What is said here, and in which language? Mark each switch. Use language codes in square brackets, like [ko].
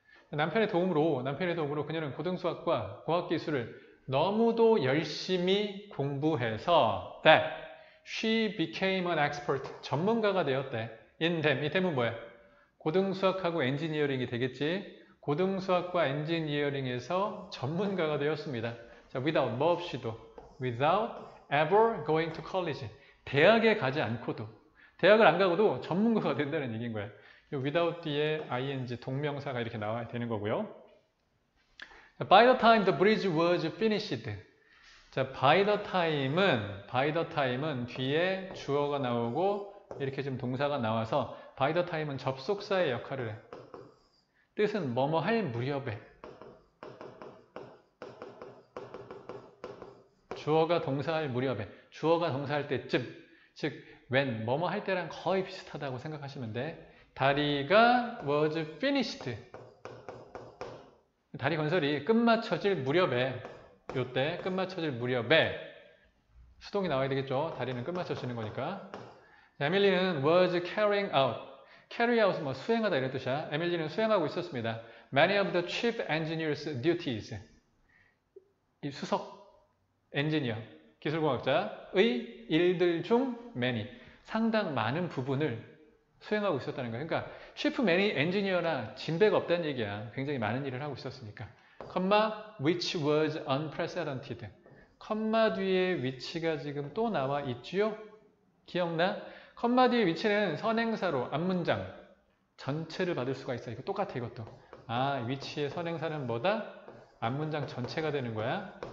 [ko] 남편의 도움으로, 남편의 도움으로 그녀는 고등수학과 과학기술을 너무도 열심히 공부해서 [en] that she became an expert, [ko] 전문가가 되었대. [en] in them, [ko] 이 them은 뭐야? 고등수학하고 엔지니어링이 되겠지? 고등수학과 엔지니어링에서 전문가가 되었습니다. 자, without, 뭐 없이도. [en] without ever going to college. [ko] 대학에 가지 않고도. 대학을 안 가고도 전문가가 된다는 얘기인 거예요. without 뒤에 ing, 동명사가 이렇게 나와야 되는 거고요. [en] by the time the bridge was finished. [ko] 자, by the time은, by the time은 뒤에 주어가 나오고, 이렇게 지금 동사가 나와서, by the time은 접속사의 역할을 해. 뜻은 뭐뭐 할 무렵에. 주어가 동사할 무렵에. 주어가 동사할 때쯤. 즉, when, 뭐뭐 할 때랑 거의 비슷하다고 생각하시면 돼. 다리가 [en] was finished. [ko] 다리 건설이 끝마쳐질 무렵에. 요때 끝마쳐질 무렵에. 수동이 나와야 되겠죠. 다리는 끝마쳐지는 거니까. 에밀리는 [en] was carrying out. carry out [ko] 은 뭐 수행하다 이런 뜻이야. 에밀리는 수행하고 있었습니다. [en] many of the chief engineer's duties. [ko] 이 수석 엔지니어, 기술공학자의 일들 중 many, 상당 많은 부분을 수행하고 있었다는 거야. 그러니까 chief many engineer나 진배가 없다는 얘기야. 굉장히 많은 일을 하고 있었으니까. [en] comma which was unprecedented. [ko] comma 뒤에 위치가 지금 또 나와 있지요? 기억나? 컴마 뒤에 위치는 선행사로 앞문장 전체를 받을 수가 있어. 이거 똑같아, 이것도. 아, 위치의 선행사는 뭐다? 앞문장 전체가 되는 거야.